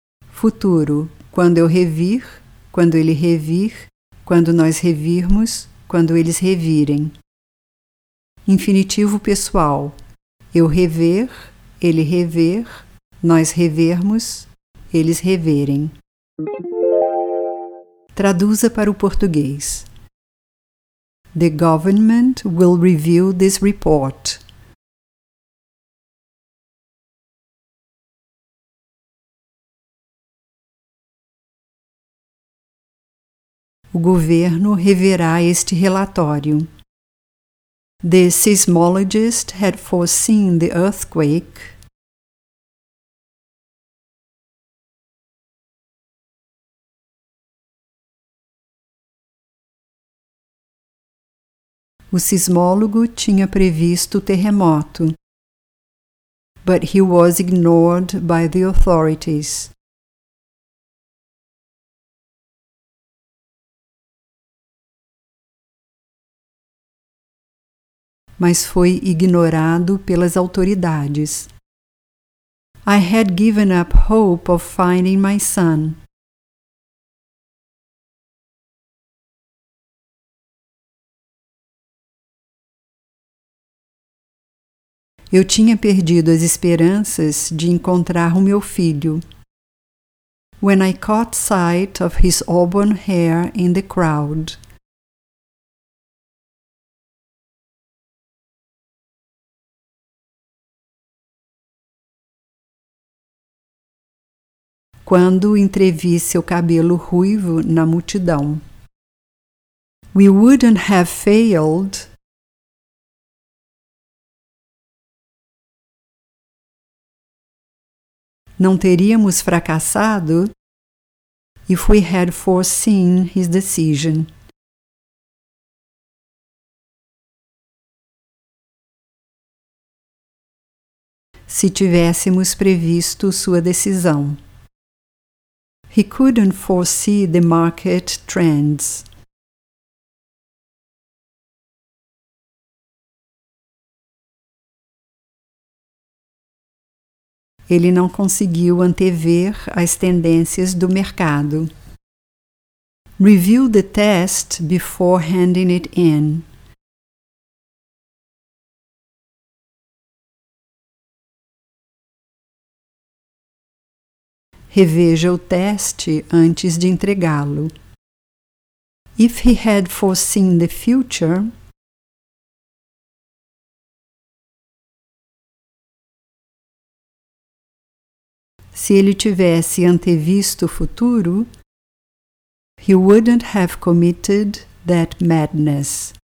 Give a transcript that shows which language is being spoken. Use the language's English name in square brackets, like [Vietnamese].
[Portuguese] Futuro, quando eu revir, quando ele revir, quando nós revirmos, quando eles revirem. Infinitivo pessoal, eu rever, ele rever, nós revermos, eles reverem. Traduza para o português. [English] The government will review this report. [Portuguese] O governo reverá este relatório. [English] The seismologist had foreseen the earthquake. [Portuguese] O sismólogo tinha previsto o terremoto. [English] But he was ignored by the authorities. [Portuguese] Mas foi ignorado pelas autoridades. [English] I had given up hope of finding my son. [Portuguese] Eu tinha perdido as esperanças de encontrar o meu filho. [English] When I caught sight of his auburn hair in the crowd. [Portuguese] Quando entrevi seu cabelo ruivo na multidão. [English] We wouldn't have failed. [Portuguese] Não teríamos fracassado, [English] if we had foreseen his decision. [Portuguese] Se tivéssemos previsto sua decisão. [English] He couldn't foresee the market trends. [Portuguese] Ele não conseguiu antever as tendências do mercado. [English] Review the test before handing it in. [Portuguese] Reveja o teste antes de entregá-lo. [English] If he had foreseen the future, [Portuguese] se ele tivesse antevisto o futuro, [English] he wouldn't have committed that madness.